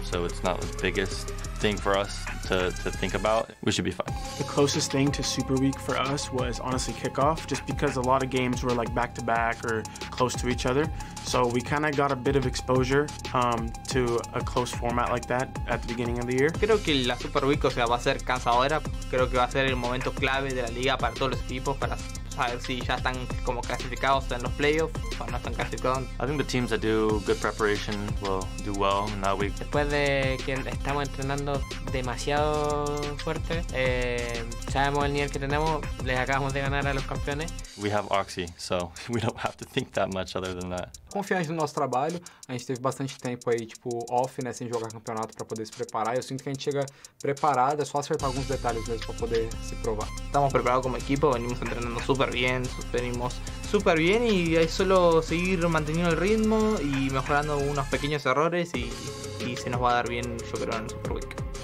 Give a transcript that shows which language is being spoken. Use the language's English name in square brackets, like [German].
[English] So it's not the biggest thing for us to think about. We should be fine. The closest thing to Super Week for us was honestly Kickoff, just because a lot of games were like back to back or close to each other. So we kind of got a bit of exposure to a close format like that at the beginning of the year. [Spanish] Creo que la Super Week, o sea, va a ser cansadora. Creo que va a ser el momento clave de la liga para todos los equipos para saber si ya están como clasificados en los playoffs o no están clasificados. [English] I think the teams that do good preparation will do well in that week. [Spanish] Después de que estamos entrenando demasiado fuerte, sabemos el nivel que tenemos. Les acabamos de ganar a los campeones. [English] We have Oxy, so we don't have to think that much other than that. [Portuguese] Confiante no nosso trabalho, a gente teve bastante tempo aí, tipo, off, né, sem jogar campeonato para poder se preparar. Eu sinto que a gente chega preparado, é só acertar alguns detalhes mesmo para poder se provar. [Spanish] Estamos preparados como equipa, venimos entrenando super bien, venimos super bien y es solo seguir manteniendo el ritmo y mejorando unos pequeños errores y se nos va a dar bien, yo creo, en el Super Week.